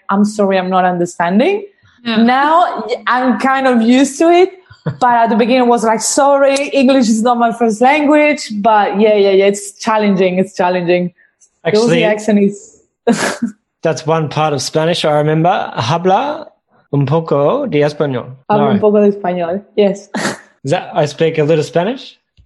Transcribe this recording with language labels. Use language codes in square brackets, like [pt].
[en] I'm sorry, I'm not understanding. Yeah. Now I'm kind of used to it. But at the beginning, I was like, sorry, English is not my first language. But yeah, it's challenging. It's challenging. Actually, the accent is. That's one part of Spanish I remember. [es] Habla un poco de español. Hablo un poco de español. [en] Yes. I speak a little Spanish?